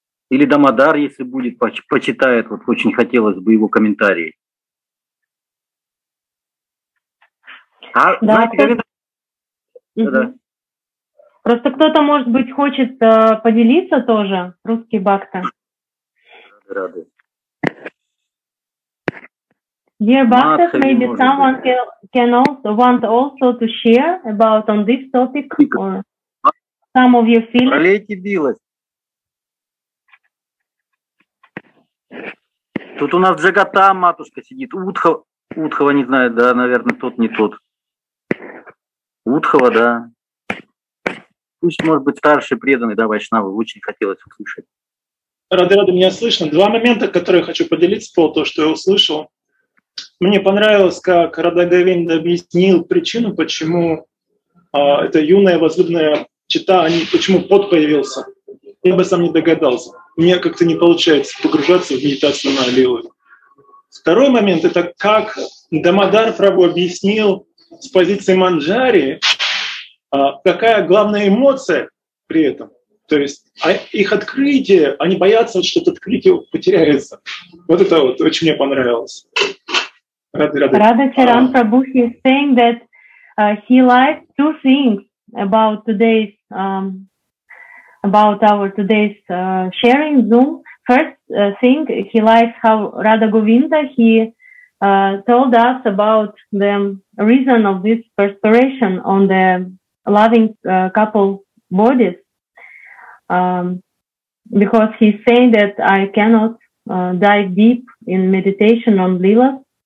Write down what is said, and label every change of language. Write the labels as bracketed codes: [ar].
[ru] Или Дамодар, если будет, почитает, вот очень хотелось бы его комментарии. А, да, знаете, Просто кто-то, может быть, хочет поделиться тоже, русский Бхакта. Рады. [en] Dear Bhaktas, maybe someone can also want also to share about on this topic or some of your feelings. [ru] Пролейте билось. Тут у нас Джагата матушка сидит. Утхова не знаю, да, наверное, тот не тот. Утхова, да. Пусть, может быть, старший преданный, да, Вайшнава, очень хотелось услышать. Рады, меня слышно. Два момента, которые хочу поделиться по тому, что я услышал. Мне понравилось, как Рада Говинда объяснил причину, почему эта юная возлюбленная чита, почему пот появился. Я бы сам не догадался. У меня как-то не получается погружаться в медитацию на Алилу. Второй момент — это как Дамодар Прабху объяснил с позиции Манджари, какая главная эмоция при этом. То есть их открытие, они боятся, что это открытие потеряется. Вот это вот очень мне понравилось. [en] Рада Чаран Прабху, he is saying that he likes two things about today's about our today's sharing Zoom. First thing, he likes how Radha Govinda, he told us about the reason of this perspiration on the loving couple bodies, because he's saying that I cannot dive deep in meditation on Leelas.